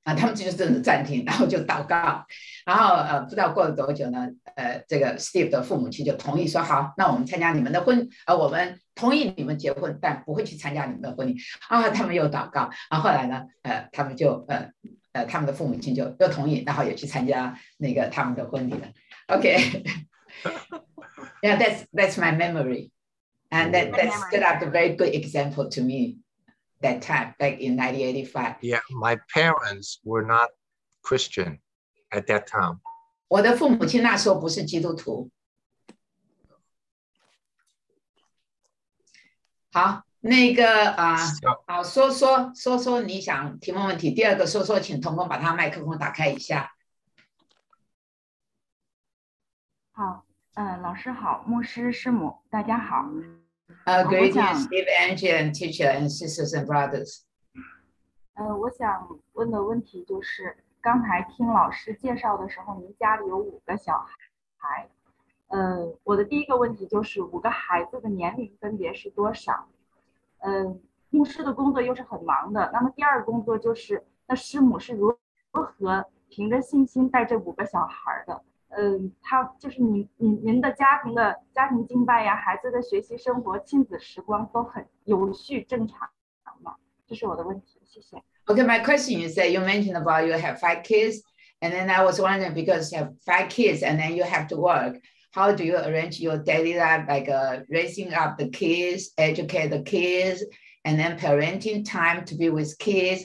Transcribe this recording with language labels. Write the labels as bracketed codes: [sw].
[zh] 啊，他们就真的暂停，然后就祷告，然后不知道过了多久呢，这个 Steve 的父母亲就同意说好，那我们参加你们的婚，我们同意你们结婚，但不会去参加你们的婚礼。啊，他们又祷告，然后后来呢，他们就他们的父母亲就又同意，然后也去参加那个他们的婚礼了。 [en] OK， yeah， that's my memory， and that stood up a very good example to me. That time, back in 1985. Yeah, my parents were not Christian at that time. [zh] 我的父母亲那时候不是基督徒。好，那个好，说说你想提问问题。第二个说说，请同工把他麦克风打开一下。好，老师好，牧师师母，大家好。 [en] Greetings, Steve, Angie, and teacher, and sisters and brothers. [zh] 我想问的问题就是，刚才听老师介绍的时候，您家里有五个小孩。我的第一个问题就是，五个孩子的年龄分别是多少？牧师的工作又是很忙的，那么第二个工作就是，那师母是如何凭着信心带这五个小孩的？他就是您的家庭敬拜呀，孩子的学习生活、亲子时光都很有序正常吗？这是我的问题，谢谢。 [en] Okay, my question is that you mentioned about you have five kids, and then I was wondering because you have five kids and then you have to work, how do you arrange your daily life, like raising up the kids, educate the kids, and then parenting time to be with kids?